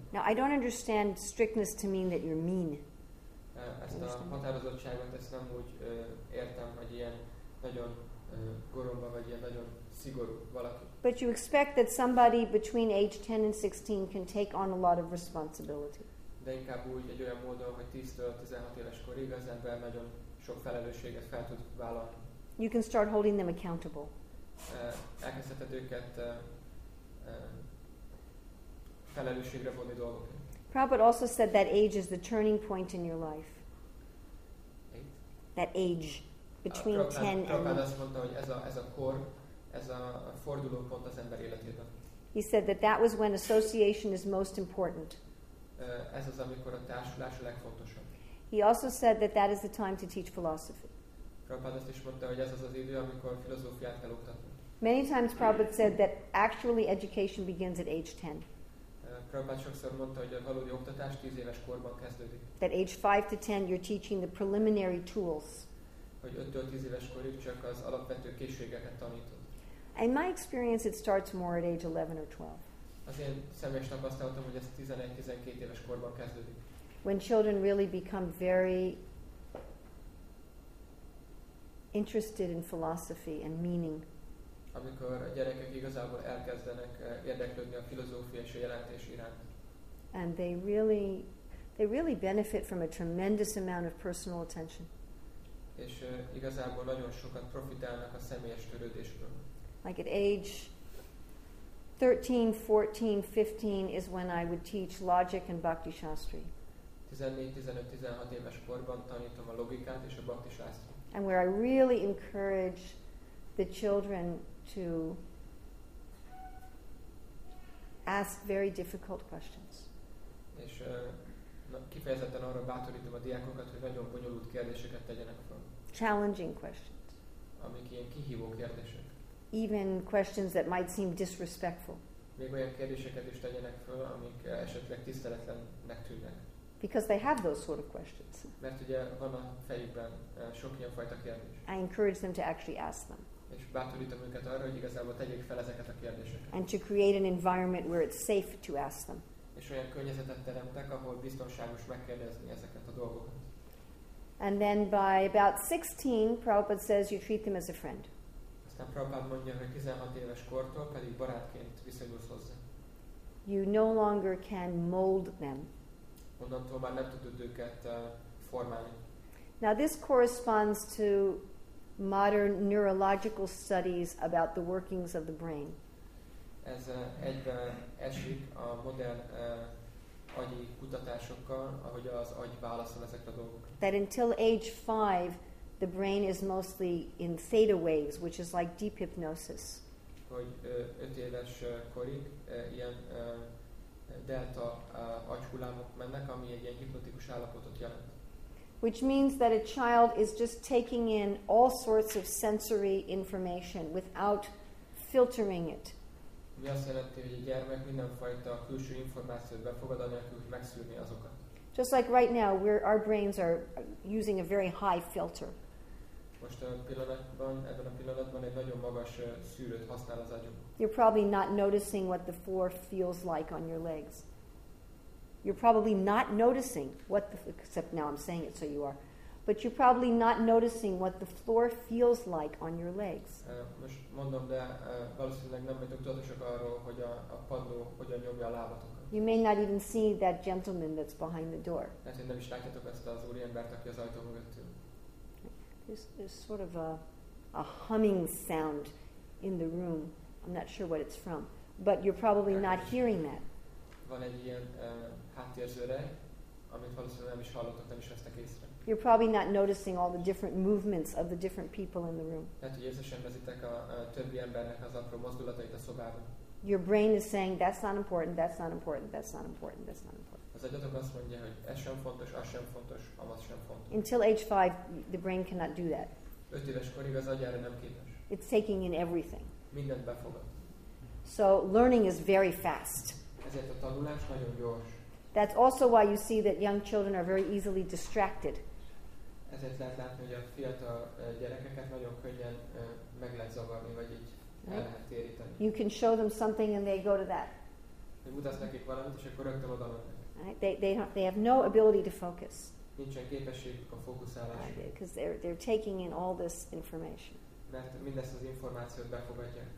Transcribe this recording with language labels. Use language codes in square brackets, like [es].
[en] Now I don't understand strictness to mean that you're mean. [hu] Ezt a határozottságot ezt nem úgy értem, hogy ilyen nagyon goromba, vagy ilyen nagyon szigorú valaki. [en] But you expect that somebody between age 10 and 16 can take on a lot of responsibility. [hu] De inkább úgy, egy olyan módon, hogy 10-től 16 éves korig az ember nagyon sok felelősséget fel tud vállalni. [en] You can start holding them accountable. [hu] Elkezdheted őket felelősségre vonni dolgokat. [en] Prabhupada also said that age is the turning point in your life. That age between 10 and [hu] Prabhupada mondta, hogy ez a kor, ez a fordulópont az ember életében. [en] He said that was when association is most important. [hu] Ez az, amikor a társulás a legfontosabb. [en] He also said that is the time to teach philosophy. [hu] Prabhupada is mondta, hogy ez az az idő, amikor filozófiát kell oktatni. [en] Many times Prabhupada said that actually education begins at age 10. [hu] Prabhupada sokszor mondta, hogy a valódi oktatás 10 éves korban kezdődik. [en] That age 5 to 10 you're teaching the preliminary tools. [hu] Hogy 5-től 10 éves korig csak az alapvető készségeket tanítod. [en] In my experience it starts more at age 11 or 12. [hu] Az én személyes tapasztalatom, hogy ez 11-12 éves korban kezdődik. [en] When children really become very interested in philosophy and meaning. [hu] Amikor a gyerekek igazából elkezdenek érdeklődni a filozófia és a jelentés iránt. [en] And they really benefit from a tremendous amount of personal attention. [hu] És igazából nagyon sokat profitálnak a személyes törődésből. [en] Like at age 13, 14, 15 is when I would teach logic and bhakti shastri. [hu] 14-15-16 éves korban tanítom a logikát és a bhakti shastri. [en] And where I really encourage the children to ask very difficult questions. [hu] És kifejezetten arra bátorítom a diákokat, hogy nagyon bonyolult kérdéseket tegyenek fel. [en] Challenging questions. [hu] Amik ilyen kihívó kérdések. [en] Even questions that might seem disrespectful. [hu] még olyan kérdéseket is tegyenek föl, amik esetleg tiszteletlennek tűnnek. [en] Because they have those sort of questions. [hu] Mert ugye van a fejükben sok ilyen fajta kérdés. [en] I encourage them to actually ask them. [hu] És bátorítom őket arra, hogy igazából tegyék fel ezeket a kérdéseket. [en] And to create an environment where it's safe to ask them. [hu] És olyan környezetet teremtek, ahol biztonságos megkérdezni ezeket a dolgokat. [en] And then by about 16, Prabhupada says you treat them as a friend. [hu] Aztán Prabhupada mondja, hogy 16 éves kortól pedig barátként viszonyulsz hozzá. [en] You no longer can mold them. [hu] Onnantól már nem tudod őket formálni. [en] Now this corresponds to modern neurological studies about the workings of the brain. [hu] Ez egyben esik a modern agyi kutatásokkal, ahogy az agy válaszol ezekre a dolgokra. [en] That until age 5, the brain is mostly in theta waves, which is like deep hypnosis. [hu] Hogy 5 éves korig ilyen delta agyhullámok mennek, ami egy ilyen hipnotikus állapotot jelent. [en] Which means that a child is just taking in all sorts of sensory information without filtering it. [hu] Mi azt jelenti, hogy a gyermek mindenfajta külső információt befogad, anélkül, hogy megszűrni azokat. [en] Just like right now, our brains are using a very high filter. [hu] Most ebben a pillanatban egy nagyon magas szűrőt használ az agyunk. [en] You're probably not noticing what the floor feels like on your legs. You're probably not noticing what the, except now I'm saying it so you are, but you're probably not noticing what the floor feels like on your legs. [hu] Most mondom, de valószínűleg nem vagyok tudatosak arról, hogy a padló hogyan nyomja a lábatokat. [en] You may not even see that gentleman that's behind the door. [hu] Lehet, hogy nem is látjátok ezt az úriembert, aki az ajtó mögött ül. [en] There's sort of a humming sound in the room. I'm not sure what it's from, but you're probably not hearing that. [hu] Van egy ilyen háttérzőre, amit valószínűleg nem is hallottak, nem is vesztek észre. [en] You're probably not noticing all the different movements of the different people in the room. [hu] Lehet, hogy észre sem veszitek a többi embernek az apró mozdulatait a szobában. [en] Your brain is saying, that's not important, that's not important, that's not important, that's not important. [hu] Az agyatok azt mondja, hogy ez sem fontos, az sem fontos, amaz sem fontos. [en] Until age 5, the brain cannot do that. [hu] 5 éves korig az agyára nem képes. [en] It's taking in everything. [hu] Mindent befogad. [en] So learning is very fast. [hu] Ezért a tanulás nagyon gyors. [en] That's also why you see that young children are very easily distracted. [hu] Ezért lehet látni, hogy a fiatal gyerekeket nagyon könnyen meg lehet zavarni, vagy így el lehet téríteni. [en] You can show them something and they go to that. [hu] Mutasd nekik valamit, és akkor rögtön oda mennek. [en] They have no ability to focus. [hu] Nincsen képességük a fókuszálásra. [en] Because they're taking in all this information. [hu] Mert mindezt az információt befogadják.